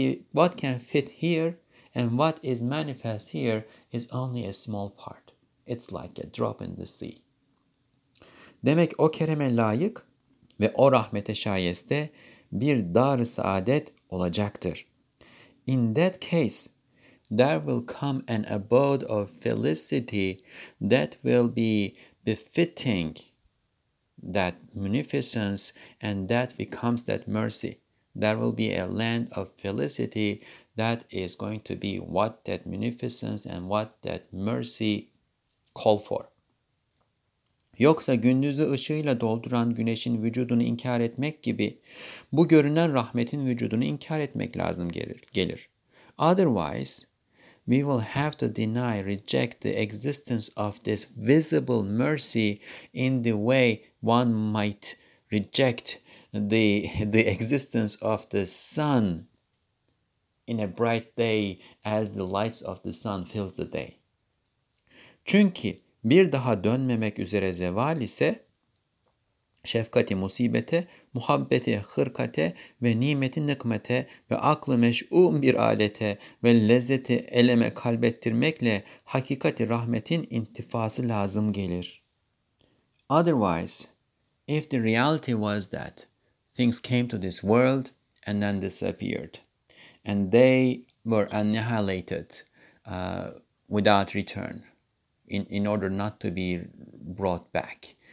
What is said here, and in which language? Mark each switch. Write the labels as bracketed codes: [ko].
[en] What can fit here and what is manifest here is only a small part. It's like a drop in the sea. [tr] Demek o kereme layık ve o rahmete şayeste bir dar-ı saadet olacaktır. [en] In that case, there will come an abode of felicity that will be befitting that munificence, and that becomes that mercy. There will be a land of felicity that is going to be what that munificence and what that mercy call for. [tr] Yoksa gündüzü ışığıyla dolduran güneşin vücudunu inkar etmek gibi, bu görünen rahmetin vücudunu inkar etmek lazım gelir. [en] Otherwise, we will have to reject the existence of this visible mercy in the way one might reject the existence of the sun in a bright day as the lights of the sun fills the day. [tr] Çünkü bir daha dönmemek üzere zeval ise şefkati musibete, muhabbeti hırkate ve nimeti nıkmete ve aklı meş'um bir alete ve lezzeti eleme kalbettirmekle hakikati rahmetin intifası lazım gelir. [en] Otherwise, if the reality was that things came to this world and then disappeared, and they were annihilated without return in order not to be brought back.